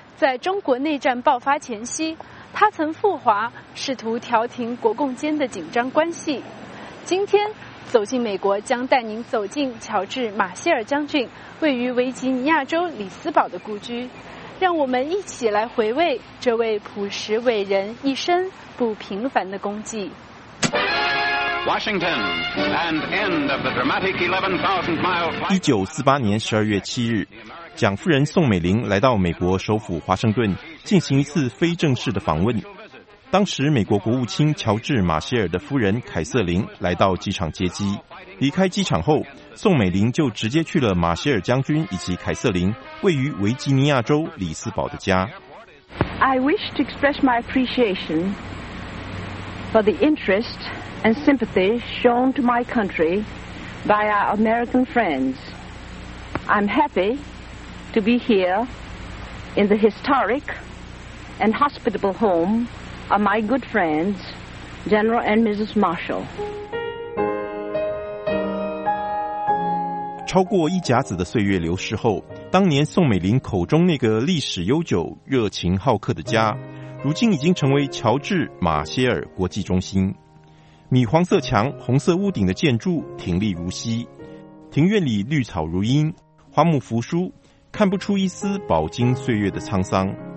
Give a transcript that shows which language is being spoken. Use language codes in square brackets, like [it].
[zh] 在中国内战爆发前夕，他曾赴华试图调停国共间的紧张关系。今天走进美国将带您走进乔治·马歇尔将军位于维吉尼亚州里斯堡的故居，让我们一起来回味这位朴实伟人一生不平凡的功绩。 [en] Washington and end of the dramatic 11,000 mile flight. [zh] 1948年12月7日，蒋夫人宋美龄来到美国首府华盛顿进行一次非正式的访问。当时美国国务卿乔治·马歇尔的夫人凯瑟琳来到机场接机，离开机场后，宋美龄就直接去了马歇尔将军以及凯瑟琳位于维吉尼亚州里斯堡的家。 [en] I wish to express my appreciation for the interest and sympathy shown to my country by our American friends. I'm happy to be here in the historic and hospitable homeare my good friends, General and Mrs. Marshall. [zh] 超过一甲子的岁月流逝后，当年宋美龄口中那个历史悠久、热情好客的家，如今已经成为乔治·马歇尔国际中心。米黄色墙、红色屋顶的建筑挺立如昔，庭院里绿草如茵，花木扶疏，看不出一丝饱经岁月的沧桑。